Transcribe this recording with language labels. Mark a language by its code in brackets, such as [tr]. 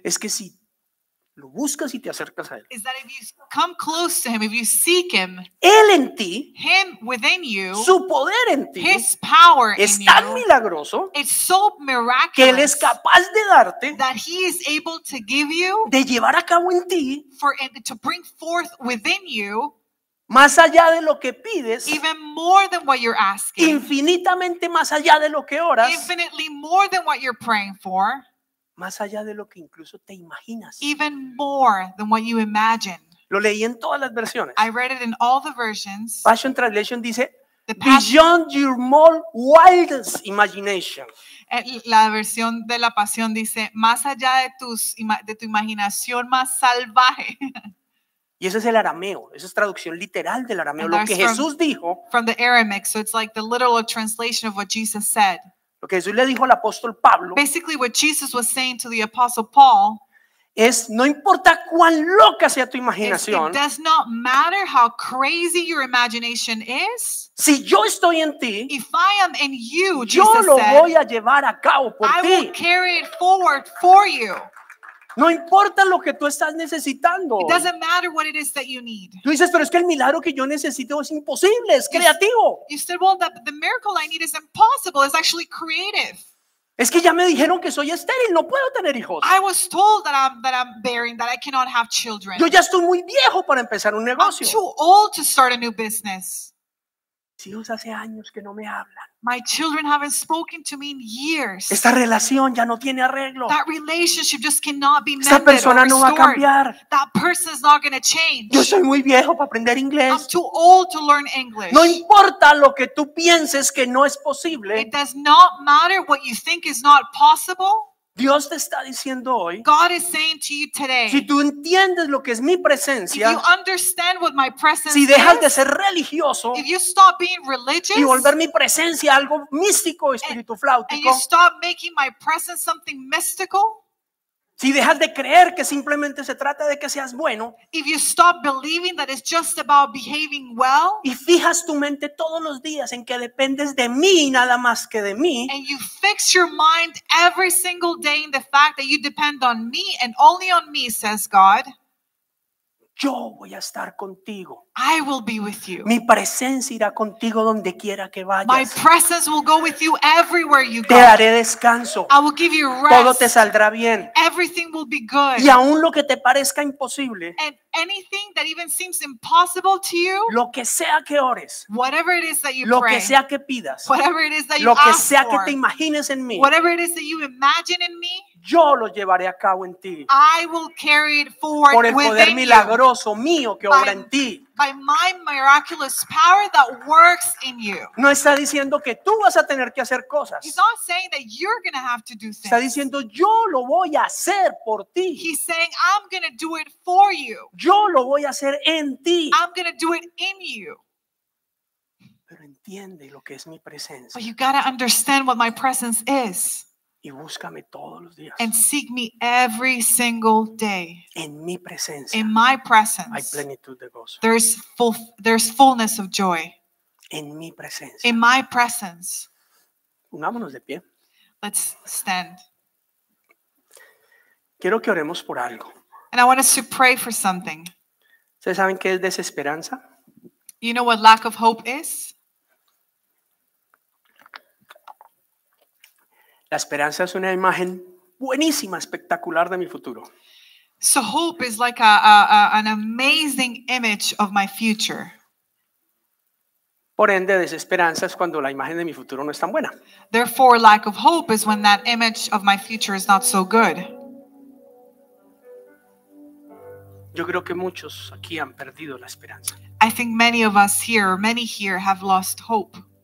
[es] es que si lo buscas y te acercas a Él, [en] is that if you come close to Him, if you seek Him, [es] Él en ti, [en] Him within you, [es] su poder en ti, [en] His power [es] es tan milagroso, [en] it's so miraculous, [es] que Él es capaz de darte, [en] that He is able to give you, [es] de llevar a cabo en ti, [en] for it to bring forth within you, [es] más allá de lo que pides, [en] even more than what you're asking, [es] infinitamente más allá de lo que oras, [en] infinitely more than what you're praying for, [es] más allá de lo que incluso te imaginas. [en] Even more than what you imagine. [es] Lo leí en todas las versiones. [en] I read it in all the versions. Passion Translation dice, beyond your more wildest imagination. [es] La versión de la pasión dice, más allá de tu imaginación más salvaje. Y ese es el arameo. Esa es traducción literal del arameo. And lo que Jesús dijo. [en] From the Aramaic. So it's like the literal translation of what Jesus said. [es] Lo que Jesús le dijo al apóstol Pablo, [en] basically what Jesus was saying to the apostle Paul, [es] es no importa cuán loca sea tu imaginación, [en] it does not matter how crazy your imagination is, [es] si yo estoy en ti, [en] if I am in you, Jesus, [es] yo lo [en] said, [es] voy a llevar a cabo por [en] I [es] ti, [en] I will carry it forward for you. [es] No importa lo que tú estás necesitando. [en] It doesn't matter what it is that you need. [es] Tú dices, pero es que el milagro que yo necesito es imposible, es creativo. [en] You said, well, the miracle I need is impossible, it's actually creative. [es] Es que ya me dijeron que soy estéril, no puedo tener hijos. [en] I was told that I'm barren, that I cannot have children. [es] Yo ya estoy muy viejo para empezar un negocio. [en] I'm too old to start a new business. [es] Mis hijos hace años que no me hablan. [en] My children haven't spoken to me in years. [es] Esta relación ya no tiene arreglo. [en] That relationship just cannot be mended. [es] Esta persona no va a cambiar. [en] That person is not going to change. [es] Yo soy muy viejo para aprender inglés. [en] I'm too old to learn English. [es] No importa lo que tú pienses que no es posible. [en] It does not matter what you think is not possible. [es] Dios te está diciendo hoy, [en] God is saying to you today, [es] si tú entiendes lo que es mi presencia, [en] if you understand what my presence, [es] si dejas [en] is, [es] de ser religioso, [en] if you stop being religious, [es] y volver mi presencia algo místico, espíritu flautico, [en] and you stop making my presence something mystical, [es] si dejas de creer que simplemente se trata de que seas bueno, [en] if you stop believing that it's just about behaving well, [es] y fijas tu mente todos los días en que dependes de mí y nada más que de mí, [en] and you fix your mind every single day in the fact that you depend on me and only on me, says God, [es] yo voy a estar contigo. [en] I will be with you. [es] Mi presencia irá contigo donde quiera que vayas. [en] My presence will go with you everywhere you go. [es] Te daré descanso. [en] I will give you rest. [es] Todo te saldrá bien. [en] Everything will be good. [es] Y aún lo que te parezca imposible. [en] And anything that even seems impossible to you. [es] Lo que sea que ores. [en] Whatever it is that you [es] lo [en] pray. [es] Lo que sea que pidas. [en] Whatever it is that you ask [es] for. Lo que [en] ask [es] sea [en] for, [es] que te imagines en mí. [en] Whatever it is that you imagine in me. [es] Yo lo llevaré a cabo en ti. [en] I will carry it forward. [es] Por el poder milagroso mío que obra en ti. [en] By my miraculous power that works in you. [es] No está diciendo que tú vas a tener que hacer cosas. [en] He's not saying that you're going to have to do things. [es] Está diciendo yo lo voy a hacer por ti. [en] He's saying I'm going to do it for you. [es] Yo lo voy a hacer en ti. [en] I'm going to do it in you. [es] Pero entiende lo que es mi presencia. [en] But you got to understand what my presence is. [es] Y búscame todos los días. [en] And seek me every single day. [es] En mi presencia. [en] In my presence. [es] Hay plenitud de gozo. [en] There's fullness of joy. [es] En mi presencia. [en] In my presence. [es] Unámonos de pie. [en] Let's stand. [es] Quiero que oremos por algo. [en] And I want us to pray for something. [es] ¿Ustedes saben qué es desesperanza? [en] You know what lack of hope is? [es] La esperanza es una imagen buenísima, espectacular de mi futuro. [en] So hope is like an amazing image of my future. [es] Por ende, desesperanza es cuando la imagen de mi futuro no es tan buena. [en] Therefore, lack of hope is when that image of my future is not so good. [es] Yo creo que muchos aquí han perdido la esperanza. [en] I think many of us here, many here have lost hope.